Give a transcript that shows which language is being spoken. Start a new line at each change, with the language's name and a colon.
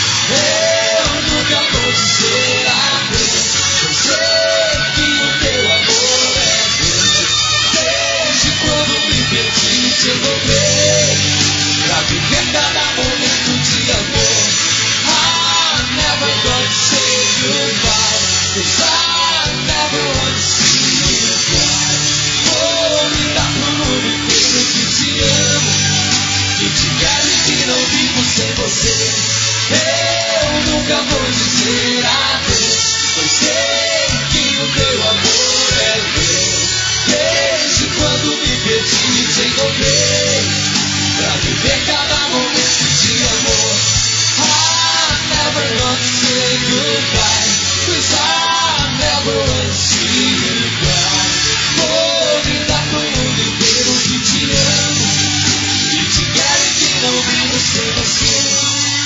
Portuguese: Eu nunca vou dizer adeus. Eu sei que o teu amor é meu. Desde quando me perdi te encontrei. Viver cada momento de amor.
English: I'm never gonna say goodbye, cause I'm never gonna see you cry.
Portuguese: Vou me dar pro mundo inteiro que te amo, que te quero e que não vivo sem você. Eu nunca vou dizer adeus, pois sei que o teu amor é meu. Desde quando me perdi te encontrei pra viver cada momento de amor.
English: I'm never gonna say goodbye, cause I'm never gonna see you cry.
Portuguese: Vou gritar pro mundo inteiro que te amo, que te quero e que não vivo sem você.